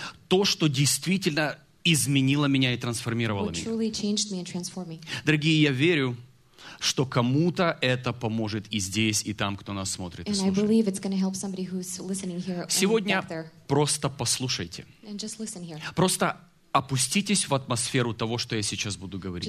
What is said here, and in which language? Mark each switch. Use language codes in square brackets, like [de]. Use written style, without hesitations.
[ru] То, что действительно изменило меня и трансформировало меня. [en] Truly changed me and transformed me. [ru] Дорогие, я верю, что кому-то это поможет и здесь, и там, кто нас смотрит и слушает. [en] And I believe it's going to help somebody who's listening here. [ru] Сегодня просто послушайте. [en] And just listen here. [ru] Просто опуститесь в атмосферу того, что я сейчас буду говорить.